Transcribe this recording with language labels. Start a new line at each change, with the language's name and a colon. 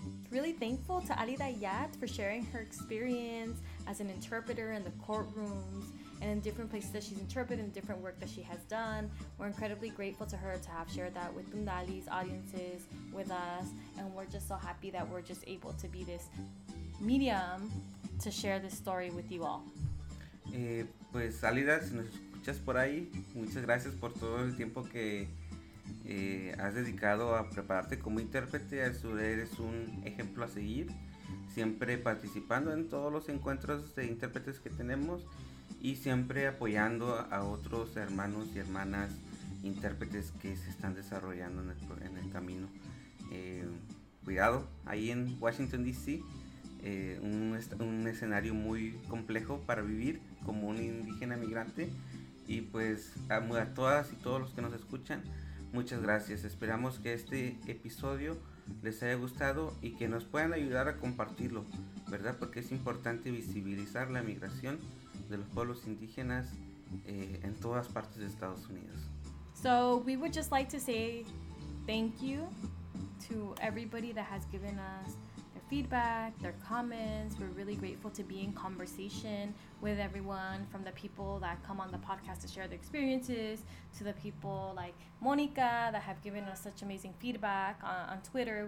English: Really thankful to Alida Yat for sharing her experience as an interpreter in the courtrooms and in different places that she's interpreted and different work that she has done. We're incredibly grateful to her to have shared that with Bundali's audiences, with us, and we're just so happy that we're just able to be this medium to share this story with you all.
Spanish: Pues Alida, si nos escuchas por ahí, muchas gracias por todo el tiempo que has dedicado a prepararte como intérprete. Eres un ejemplo a seguir, siempre participando en todos los encuentros de intérpretes que tenemos y siempre apoyando a otros hermanos y hermanas intérpretes que se están desarrollando en el camino. Cuidado, ahí en Washington DC, un escenario muy complejo para vivir como un indígena migrante. Y pues a todas y todos los que nos escuchan, muchas gracias. Esperamos que este episodio les haya gustado y que nos puedan ayudar a compartirlo, ¿verdad? Porque es importante visibilizar la migración de los pueblos indígenas en todas partes de Estados Unidos.
English: So we would just like to say thank you to everybody that has given us their feedback, their comments. We're really grateful to be in conversation with everyone, from the people that come on the podcast to share their experiences, to the people like Monica that have given us such amazing feedback on Twitter.